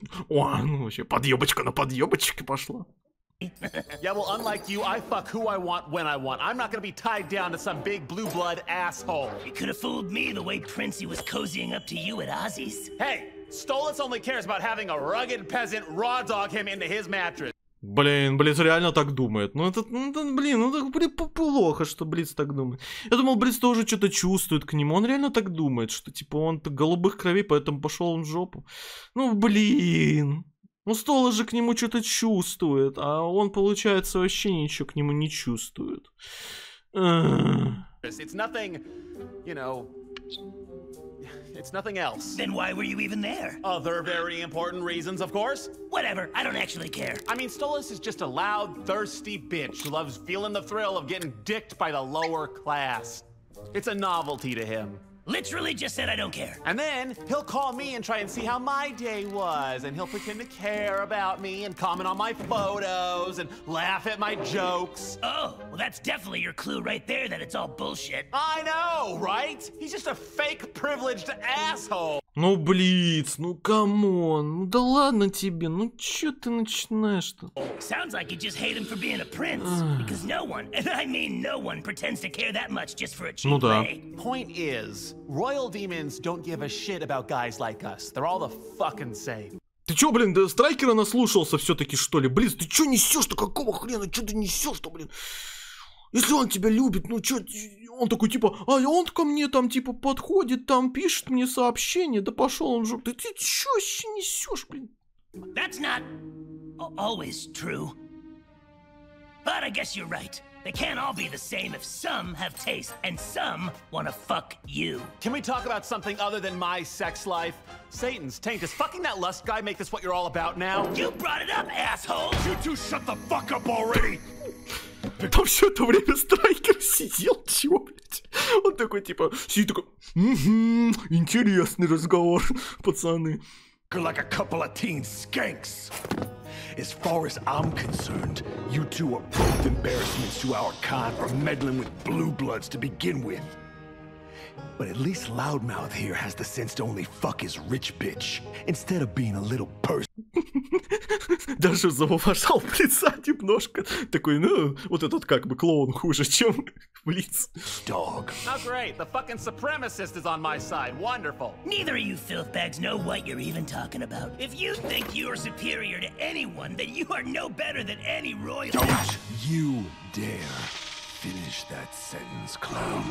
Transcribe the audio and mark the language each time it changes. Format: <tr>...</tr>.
<ru>О, ну вообще, подъебочка на подъебочке пошла.</ru> <en>Yeah, well, unlike you, I fuck who I want when I want. I'm not gonna be tied down to some big blue blood asshole. You could have fooled me the way Princey was cozying up to you at Ozzy's. Hey, Stolas only cares about having a rugged peasant raw dog him into his mattress.</en> <ru>Блин, Блиц реально так думает. Ну это, блин, плохо, что Блиц так думает. Я думал, Блиц тоже что-то чувствует к нему. Он реально так думает, что типа он голубых крови, поэтому пошел он в жопу. Ну блин. Ну, Столас же к нему что-то чувствует, а он, получается, вообще ничего к нему не чувствует.</ru> <en>It's nothing, you know, It's nothing else. Then why were you even there? Other very important reasons, of course. Whatever, I don't actually care. I mean, Stolas is just a loud, thirsty bitch who loves feeling the thrill of getting dicked by the lower class. It's a novelty to him. Literally just said I don't care. And then he'll call me and try and see how my day was, and he'll pretend to care about me and comment on my photos and laugh at my jokes. Oh, well, that's definitely your clue right there that it's all bullshit. I know, right? He's just a fake privileged asshole.</en> <ru>Ну, Блиц, ну, камон, ну, да ладно тебе, ну, чё ты начинаешь-то?</ru> <en>Sounds like you just hate him for being a prince, because no one, and I mean no one, pretends to care that much just for a cheap play.</en> <ru>Ну, да.</ru> <en>Point is, royal demons don't give a shit about guys like us, they're all the fucking same.</en> <ru>Ты чё, блин, да Страйкера наслушался всё-таки, что ли? Блиц, ты чё несёшь-то, какого хрена, чё ты несёшь-то, блин? Если он тебя любит, ну чё, он такой типа, а он ко мне там типа подходит, там пишет мне сообщение, да пошёл он в жопу. Да ты чё вообще несёшь, блин?</ru> <en>That's not always true. But I guess you're right. They can't all be the same if some have taste and some wanna fuck you. Can we talk about something other than my sex life? Satan's taint, does fucking that lust guy make this what you're all about now? You brought it up, asshole! You two shut the fuck up already!</en> <ru>Там все это время Страйкер сидел, чего, блядь? Он такой, типа, сидит такой, интересный разговор, пацаны.</ru> <en>Like a couple of teen skanks. As far as I'm concerned, you two are both embarrassments to our kind for meddling with blue bloods to begin with. But at least Loudmouth here has the sense to only fuck his rich bitch, instead of being a little person.</en> <ru>Даже завоважал Блица немножко. Такой, ну, вот этот как бы клоун хуже, чем Блиц.</ru> <en>Dog. Oh great, the fucking supremacist is on my side, wonderful. Neither of you filthbags know what you're even talking about. If you think you're superior to anyone, then you are no better than any royal- Don't you dare finish that sentence, clown.</en>